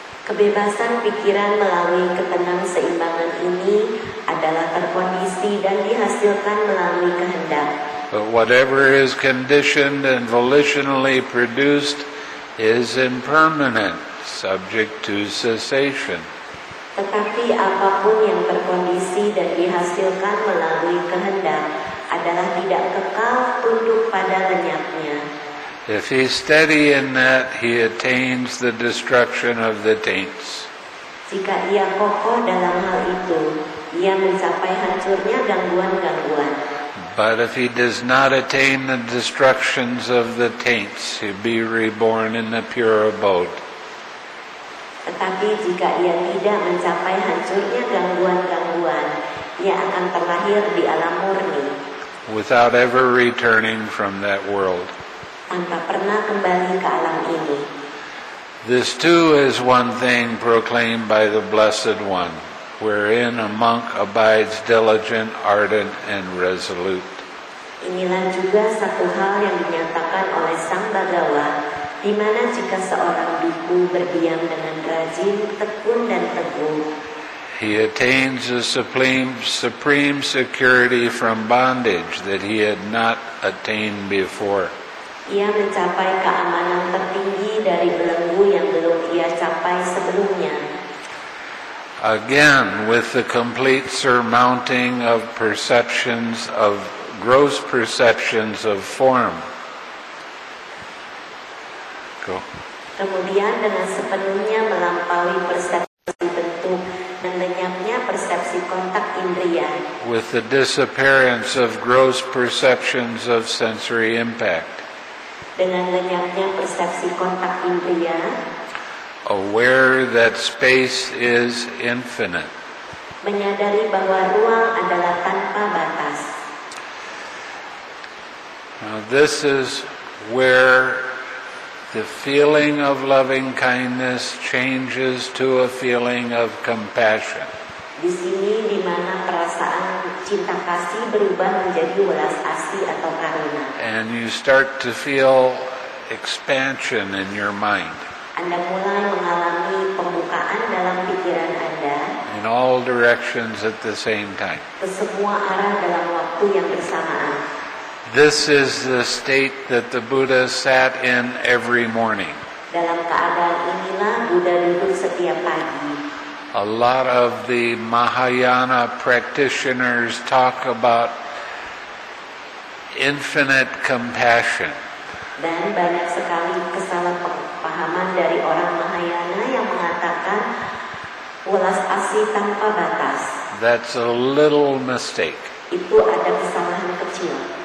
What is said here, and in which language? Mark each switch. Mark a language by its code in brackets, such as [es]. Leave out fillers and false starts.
[id] Kebebasan pikiran melalui ketenangan seimbangan ini adalah terkondisi dan dihasilkan melalui kehendak. [en] But whatever is conditioned and volitionally produced is impermanent, subject to cessation. [id] Tetapi apapun yang terkondisi dan dihasilkan melalui kehendak adalah tidak kekal, tunduk pada lenyapnya. [en] If he steady in that, he attains the destruction of the taints. [id] Jika ia kokoh dalam hal itu, ia mencapai hancurnya gangguan-gangguan. [en] But if he does not attain the destructions of the taints, he'll be reborn in the pure abode. [id] Tetapi jika ia tidak mencapai hancurnya gangguan-gangguan, ia akan terlahir di alam murni. [en] Without ever returning from that world. [id] Tanpa pernah kembali ke alam ini. [en] This too is one thing proclaimed by the Blessed One, wherein a monk abides diligent, ardent, and resolute. [id] Inilah juga satu hal yang dinyatakan oleh Sang Bhagawa, Di mana jika seorang biku berdiam dengan rajin, tekun dan teguh, [en] he attains a supreme security from bondage that he had not attained before. [id] Ia mencapai keamanan tertinggi dari belenggu yang belum ia capai sebelumnya. [en] Again, with the complete surmounting of perceptions of gross perceptions of form. Go. [id] Kemudian dengan sepenuhnya melampaui persepsi bentuk dan lenyapnya persepsi kontak indria. [en] With the disappearance of gross perceptions of sensory impact. [id] Dengan lenyapnya persepsi kontak indria. [en] Aware that space is infinite. [id] Menyadari bahwa ruang adalah tanpa batas. [en] Now this is where the feeling of loving kindness changes to a feeling of compassion. [id] Di sini di mana perasaan cinta kasih berubah menjadi welas asih atau karuna. [en] And you start to feel expansion in your mind. [id] Anda mulai mengalami pembukaan dalam pikiran Anda. [en] In all directions at the same time. [id] Ke semua arah dalam waktu yang bersamaan. [en] This is the state that the Buddha sat in every morning. [id] Dalam keadaan inilah Buddha duduk setiap pagi. [en] A lot of the Mahayana practitioners talk about infinite compassion. [id] Dan banyak sekali kesalahpahaman dari orang Mahayana yang mengatakan welas asih tanpa batas. [en] That's a little mistake. [id] Itu ada kesalahan kecil.